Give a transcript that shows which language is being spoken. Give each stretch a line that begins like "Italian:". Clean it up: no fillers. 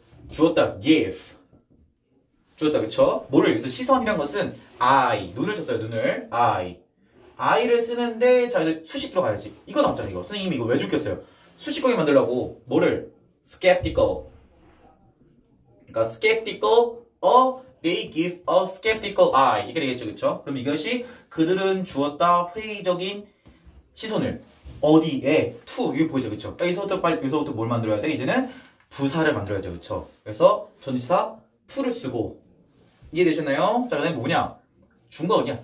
Korean: 주었다, give. 주었다, 그쵸? 뭐를 여기서 시선이란 것은 I. 눈을 썼어요, 눈을. I. I를 쓰는데, 자, 이제 수식 들어가야지. 이거 나왔잖아, 이거. 선생님이 이거 왜 죽겠어요? 수식어기 만들려고 뭐를? skeptical. 그러니까 skeptical.
English: They give a skeptical eye.
Korean: 이게 되겠죠, 그쵸? 그럼 이것이 그들은 주었다 회의적인 시선을 어디에 to 이게 보이죠, 그쵸? 그러니까 여기서부터 뭘 만들어야 돼? 이제는 부사를 만들어야죠, 그쵸? 그래서 전치사 to를 쓰고 이해되셨나요? 자, 그 다음에 뭐냐? 준 거 아니야?